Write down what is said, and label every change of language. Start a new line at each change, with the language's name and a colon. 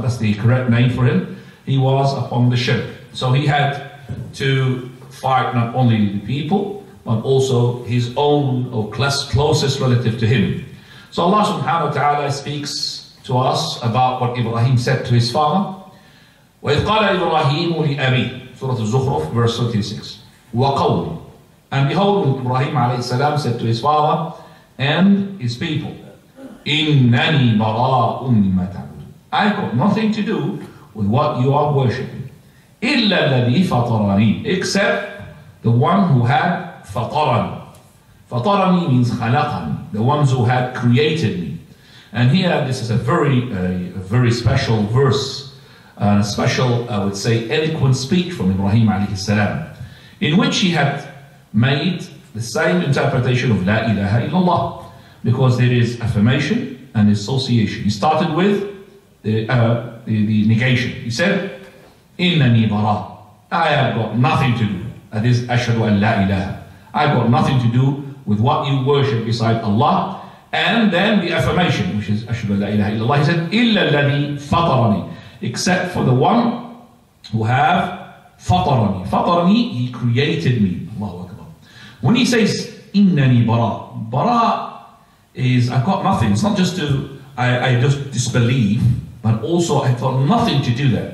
English: That's the correct name for him. He was upon the ship. So he had to fight not only the people, but also his own or closest relative to him. So Allah subhanahu wa ta'ala speaks to us about what Ibrahim said to his father.
Arabic: وَإِذْ قَالَ إِبْرَاهِيمُ لِأَبِي,
English: Surah Al-Zukhruf, verse 36. وَقَوْلِ, and behold, Ibrahim alayhi salam said to his father and his people,
Arabic: إِنَّنِي بَرَاءٌ مِمَّا تَعْبُدُونَ,
English: I've got nothing to do with what you are worshipping.
Arabic: إِلَّا الَّذِي فَطَرَنِي,
English: except the one who had فَطَرَنِي. فَطَرَنِي means خَلَقَنِي, the ones who had created me. And here, this is a very special verse, and a special, I would say, eloquent speech from Ibrahim alayhi salam, in which he had made the same interpretation of La ilaha illallah, because there is affirmation and association. He started with the the negation. He said,
Arabic: إِنَّنِي بَرَاءٌ.
English: I have got nothing to do. That is,
Arabic: أَشْهَدُ أَنْ لَا إِلَهَ.
English: I've got nothing to do with what you worship beside Allah. And then the affirmation, which is
Arabic: أَشْهَدُ أَنْ لَا إِلَهَ إِلَّا اللَّهِ.
English: He said,
Arabic: إِلَّا الَّذِي فَطَرَنِي.
English: Except for the one who have فَطَرَنِي. فَطَرَنِي, he created me. Allahu Akbar. When he says,
Arabic: إِنَّنِي بَرَاءٌ.
English: بَرَاءٌ is, I've got nothing. It's not just to, I just disbelieve, but also I've got nothing to do there.